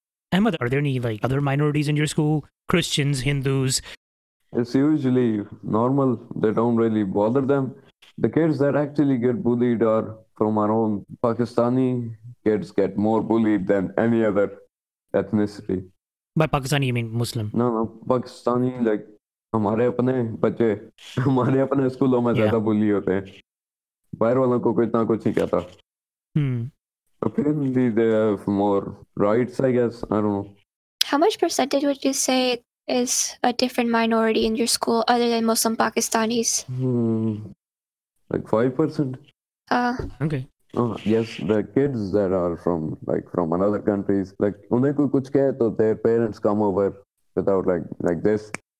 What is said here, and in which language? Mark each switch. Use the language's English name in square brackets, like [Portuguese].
[English] Emma, are there any, like, other minorities in your school? Christians, Hindus? It's usually normal. They don't really bother them. The kids that actually get bullied are from our own. Pakistani kids get more bullied than any other ethnicity. By Pakistani, you mean Muslim? No, Pakistani, like, [Hindi] हमारे अपने बच्चे हमारे अपने स्कूलों में ज्यादा बुली होते हैं बाहर वालों को इतना कुछ नहीं कहता [English] apparently they have more rights, I guess. I don't know. How much percentage would you say is a different minority in your school other than Muslim Pakistanis? Like 5%. Okay. Oh, yes, the kids that are from, like, from another countries, like, [Hindi] उन्हें कोई कुछ कहे तो [English] their parents come over without, like this.